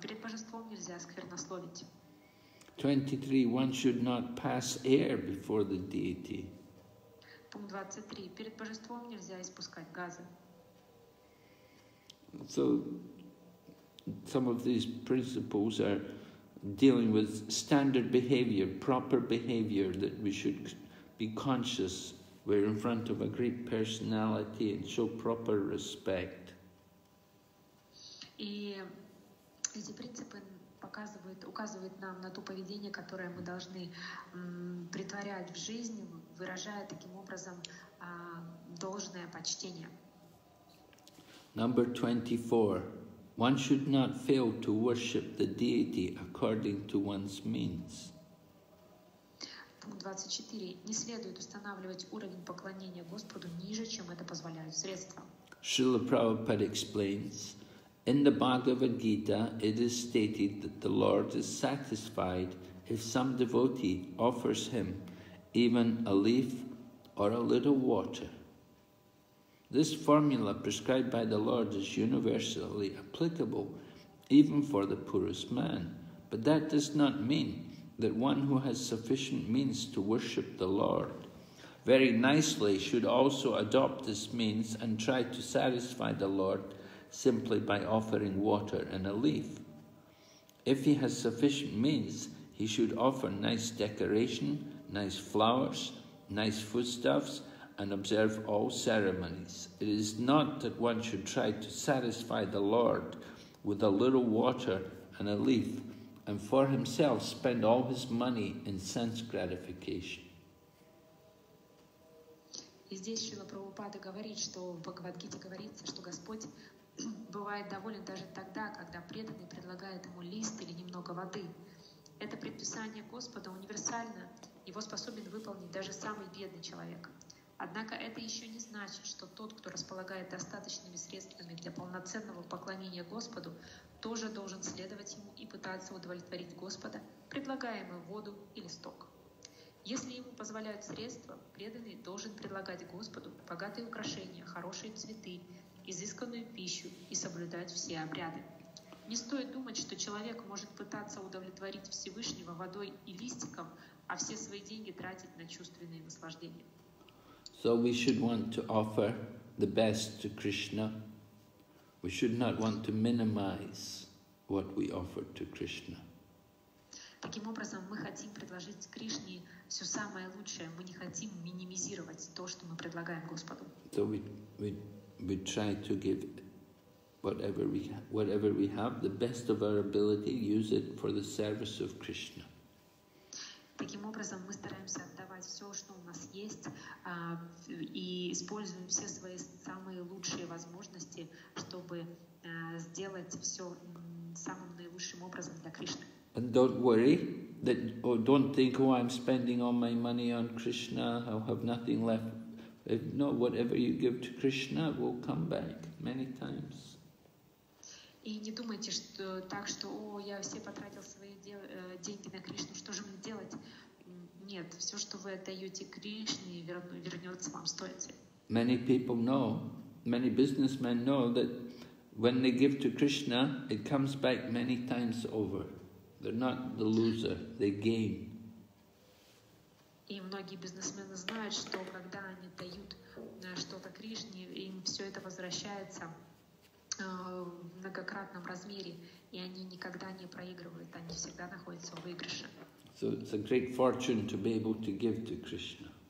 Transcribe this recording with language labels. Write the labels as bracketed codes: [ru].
[ru] Перед божеством нельзя сквернословить. [en] 23. One should not pass air before the deity. [ru] Пункт 23. Перед божеством нельзя испускать газы. [en] So, some of these principles are dealing with standard behavior, proper behavior that we should be conscious. We're in front of a great personality and show proper respect. [ru] И эти принципы указывают нам на то поведение, которое мы должны притворять в жизни, выражая таким образом должное почтение. [en] Number 24. One should not fail to worship the deity according to one's means. 24. [ru] Не следует устанавливать уровень поклонения Господу ниже, чем это позволяют средства. [en] Шрила Прабхупада explains, in the Bhagavad Gita it is stated that the Lord is satisfied if some devotee offers him even a leaf or a little water. This formula prescribed by the Lord is universally applicable even for the poorest man, but that does not mean that one who has sufficient means to worship the Lord very nicely should also adopt this means and try to satisfy the Lord simply by offering water and a leaf. If he has sufficient means, he should offer nice decoration, nice flowers, nice foodstuffs, and observe all ceremonies. It is not that one should try to satisfy the Lord with a little water and a leaf, and for himself spend all his money in sense gratification. [ru] И здесь Шрила Прабхупада говорит, что в Бхагавад-гите говорится, что Господь бывает доволен даже тогда, когда преданный предлагает ему лист или немного воды. Это предписание Господа универсально, его способен выполнить даже самый бедный человек. Однако это еще не значит, что тот, кто располагает достаточными средствами для полноценного поклонения Господу, тоже должен следовать ему и пытаться удовлетворить Господа, предлагая ему воду и листок. Если ему позволяют средства, преданный должен предлагать Господу богатые украшения, хорошие цветы, изысканную пищу и соблюдать все обряды. Не стоит думать, что человек может пытаться удовлетворить Всевышнего водой и листиком, а все свои деньги тратить на чувственные наслаждения. [en] So we should want to offer the best to Krishna. We should not want to minimize what we offer to Krishna. [ru] Таким образом, мы хотим предложить Кришне все самое лучшее. Мы не хотим минимизировать то, что мы предлагаем Господу. [en] So we try to give whatever we have, the best of our ability, use it for the service of Krishna. [ru] Таким образом, мы стараемся отдавать все, что у нас есть, и используем все свои самые лучшие возможности, чтобы сделать все самым наилучшим образом для Кришны. [en] And don't worry, that or don't think, oh, I'm spending all my money on Krishna, I'll have nothing left. If not, whatever you give to Krishna will come back many times. [ru] И не думайте, что так, что, о, я все потратил свои деньги на Кришну, что же мне делать? Нет, все, что вы отдаете Кришне, вернется вам стоите. [en] Many people know, many businessmen know that when they give to Krishna, it comes back many times over. They're not the loser, they gain. [ru] И многие бизнесмены знают, что когда они дают что-то Кришне, им все это возвращается в многократном размере, и они никогда не проигрывают, они всегда находятся в выигрыше. [en] So it's a great fortune to be able to give to Krishna.